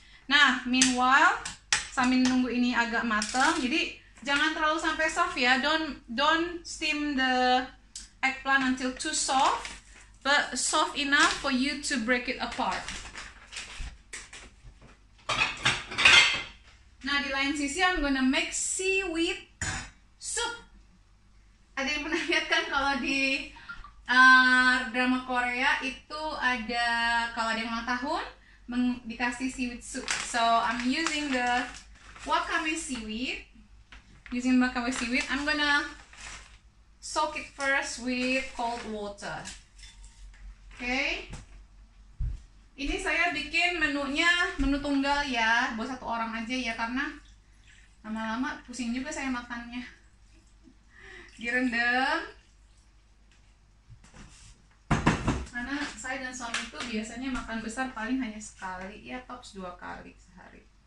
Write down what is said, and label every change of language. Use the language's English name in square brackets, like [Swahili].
[Indonesian] Nah, meanwhile sambil nunggu ini agak mateng, jadi jangan terlalu sampai soft ya. [English] Don't steam the eggplant until too soft, but soft enough for you to break it apart. [Indonesian] Nah, di lain sisi [English] I'm gonna make seaweed soup. [Indonesian] Ada yang pernah lihat kan kalau di drama Korea itu ada, kalau ada yang ulang tahun dikasih seaweed soup. [English] So I'm using the wakame seaweed. I'm gonna soak it first with cold water. Okay. [Indonesian] Ini saya bikin menunya menu tunggal ya, buat satu orang aja ya, karena lama-lama pusing juga saya makannya. Direndam. Karena saya dan suami itu biasanya makan besar paling hanya sekali, ya tops 2 kali sehari.